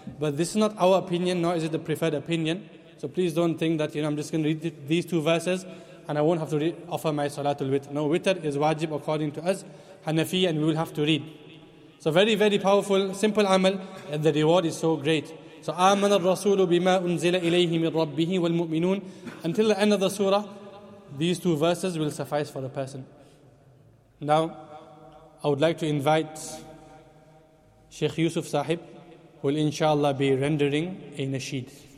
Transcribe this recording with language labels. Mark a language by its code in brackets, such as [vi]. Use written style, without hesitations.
[en] But this is not our opinion, nor is it the preferred opinion. So please don't think that, I'm just going to read these two verses and I won't have to offer my Salatul Witr. No, Witr is wajib according to us, Hanafi, and we will have to read. So very, very powerful, simple amal, and the reward is so great. [ar] So, آمن الرسول بما أنزل إليه من ربه والمؤمنون. [en] Until the end of the surah, these two verses will suffice for the person. Now, I would like to invite Sheikh Yusuf Sahib, who will inshallah be rendering a nasheed.